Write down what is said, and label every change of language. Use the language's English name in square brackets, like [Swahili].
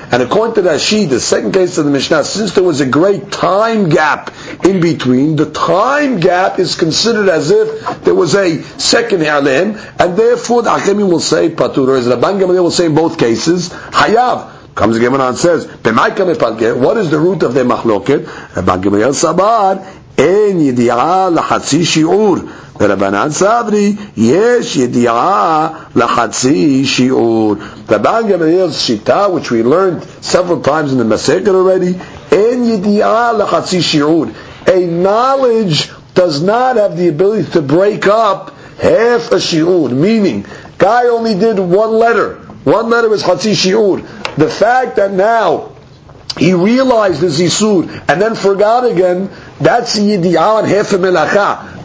[English] And according to Rashi, the second case of the Mishnah, since there was a great time gap in between, the time gap is considered as if there was a second He'alem, and therefore the Hakamim will say, Patur, or is it Rabban Gamliel will say in both cases, Hayav. Comes the Gemara and says, what is the root of their Machloket? Rabban Gamliel Sabar, [Hebrew] אין ידיעה לחצי שיעור. ורבנן סברי, יש ידיעה לחצי שיעור. [English] רבן גמליאל's שיטה, which we learned several times in the Masechet already, [Hebrew] אין ידיעה לחצי שיעור. [English] A knowledge does not have the ability to break up half a shi'ur, meaning guy only did one letter. One letter is chatzi shi'ur. The fact that now he realized his isur and then forgot again, that's yidi'ah and half a melacha.